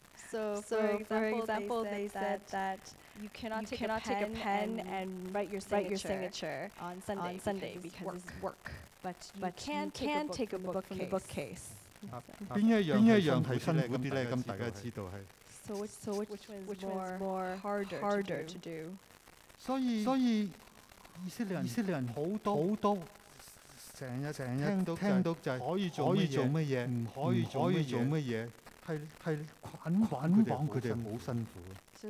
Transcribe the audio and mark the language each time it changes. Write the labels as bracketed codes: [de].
[en] So for example, they said that you cannot take a pen and write your signature on Sunday because it's work. But you can take a book from the bookcase. [yue] 邊一樣係辛苦啲咧？咁大家知道係。 [en] So which one is more harder to do? [yue] 所以以色列人好多。成日聽到就係可以做乜嘢，唔可以做乜嘢，係捆綁佢哋好辛苦。So